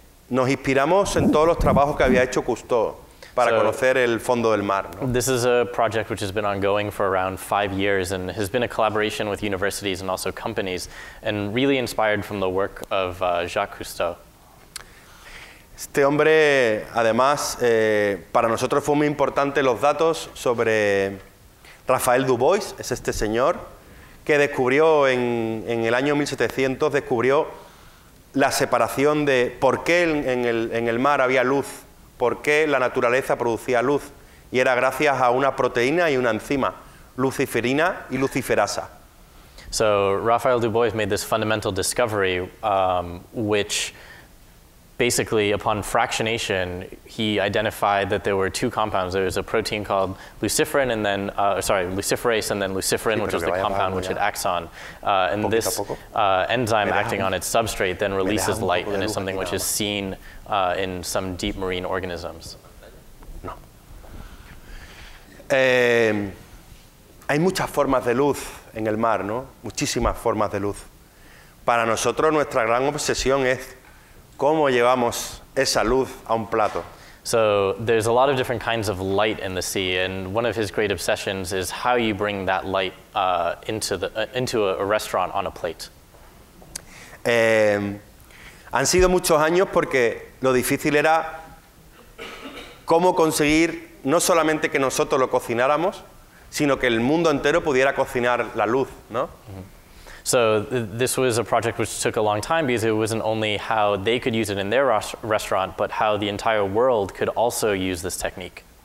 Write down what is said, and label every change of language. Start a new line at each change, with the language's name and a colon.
Spanish: Nos inspiramos en todos los trabajos que había hecho Cousteau para conocer el fondo del mar, ¿no?
English: This is a project which has been ongoing for around 5 years and has been a collaboration with universities and also companies and really inspired from the work of Jacques Cousteau.
Spanish: Este hombre, además, para nosotros fue muy importante los datos sobre Rafael Dubois, es este señor, que descubrió en el año 1700, descubrió la separación de por qué en el mar había luz, por qué la naturaleza producía luz, y era gracias a una proteína y una enzima, luciferina y luciferasa.
English: So, Rafael Dubois made this fundamental discovery, which basically, upon fractionation, he identified that there were two compounds. There was a protein called luciferin, and then luciferase, and then luciferin, which was the compound which it acts on. And this enzyme acting on its substrate then releases light, and is something which is seen in some deep marine organisms.
Spanish: No. Hay muchas formas de luz en el mar, ¿no? Muchísimas formas de luz. Para nosotros, nuestra gran obsesión es ¿cómo llevamos esa luz a un plato?
English: So there's a lot of different kinds of light in the sea, and one of his great obsessions is how you bring that light into a restaurant on a plate.
Spanish: Han sido muchos años porque lo difícil era cómo conseguir no solamente que nosotros lo cocináramos, sino que el mundo entero pudiera cocinar la luz, ¿no? Mm-hmm.
English: So this was a project which took a long time because it wasn't only how they could use it in their restaurant, but how the entire world could also use this technique.